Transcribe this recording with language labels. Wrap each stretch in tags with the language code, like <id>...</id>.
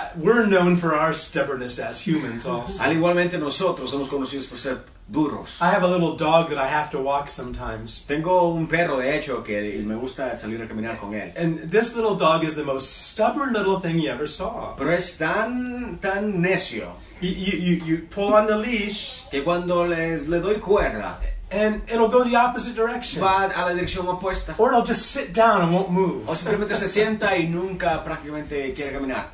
<en>We're known for our stubbornness as humans also.</en> <es>Al igualmente nosotros somos conocidos por ser burros.</es> <en>I have a little dog that I have to walk sometimes.</en> <es>Tengo un perro, de hecho, que me gusta salir a caminar con él.</es> <en>And this little dog is the most stubborn little thing you ever saw.</en> <es>Pero es tan necio.</es> <en>You pull on the leash.</en> <es>Que cuando le doy cuerda.</es> <en>And it'll go the opposite direction.</en> <es>Va a la dirección opuesta.</es> <en>Or it'll just sit down and won't move.</en> <es>O simplemente se sienta y nunca prácticamente quiere caminar.</es>